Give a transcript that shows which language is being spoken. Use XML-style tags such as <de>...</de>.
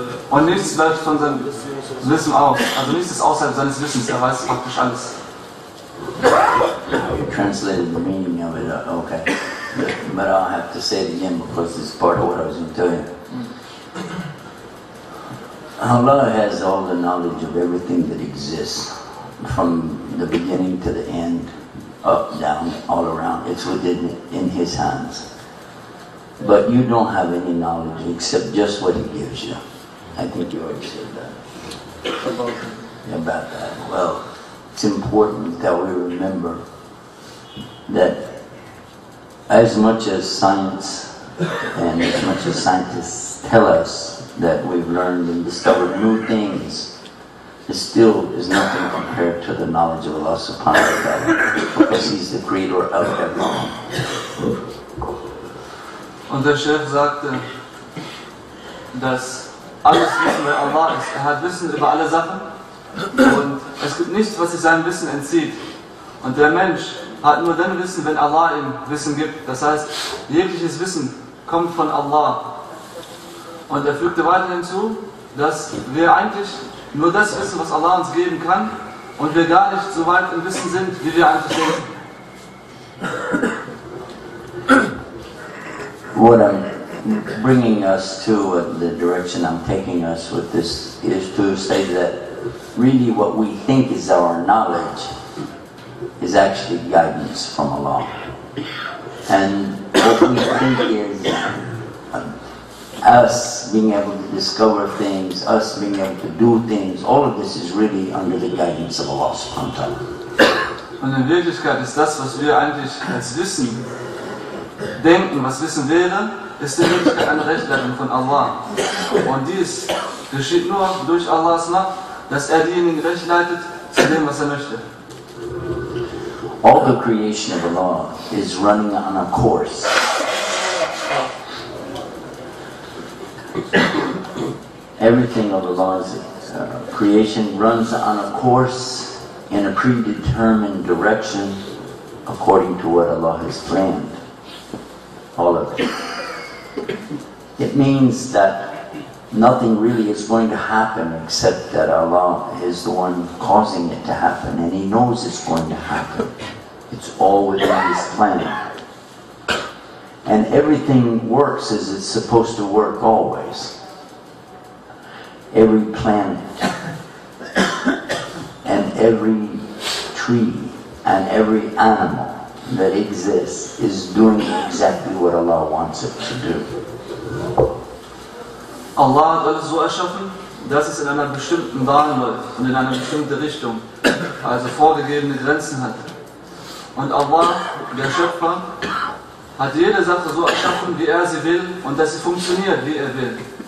<de>Und nichts bleibt von seinem Wissen aus. Also nichts ist außerhalb seines Wissens. Er weiß praktisch alles.</de> <en>You translated the meaning of it, okay. But I'll have to say it again because it's part of what I was going to tell you. Allah has all the knowledge of everything that exists from the beginning to the end, up, down, all around. It's within in His hands. But you don't have any knowledge except just what He gives you. I think you already said that. About that. Well, it's important that we remember that as much as science and as much as scientists tell us that we've learned and discovered new things, it still is nothing compared to the knowledge of Allah subhanahu wa ta'ala, because He's the creator of everything.</en> <de>Und der Chef sagte, dass alles Wissen bei Allah ist. Er hat Wissen über alle Sachen und es gibt nichts, was sich seinem Wissen entzieht. Und der Mensch hat nur dann Wissen, wenn Allah ihm Wissen gibt. Das heißt, jegliches Wissen kommt von Allah. Und er fügte weiter hinzu, dass wir eigentlich nur das wissen, was Allah uns geben kann und wir gar nicht so weit im Wissen sind, wie wir eigentlich denken.</de> <en>What I'm bringing us to, the direction I'm taking us with this, is to say that really what we think is our knowledge is actually guidance from Allah. And what we think is us being able to discover things, us being able to do things, all of this is really under the guidance of Allah subhanahu wa ta'ala.</en> <de>Und in Wirklichkeit ist das, was wir eigentlich als Wissen denken, was Wissen wäre, ist in Wirklichkeit eine Rechtleitung von Allah. Und dies geschieht nur durch Allahs Macht, dass er diejenigen rechtleitet zu dem, was er möchte.</de> <en>All the creation of Allah is running on a course. Everything of Allah's creation runs on a course in a predetermined direction according to what Allah has planned. All of it. It means that nothing really is going to happen except that Allah is the one causing it to happen and He knows it's going to happen. It's all within His plan. And everything works as it's supposed to work always. Every planet and every tree and every animal that exists is doing exactly what Allah wants it to do.</en> <de>Allah hat alles so erschaffen, dass es in einer bestimmten Bahn läuft und in eine bestimmte Richtung, also vorgegebene Grenzen hat. Und Allah, der Schöpfer, hat jede Sache so erschaffen, wie er sie will und dass sie funktioniert, wie er will.</de>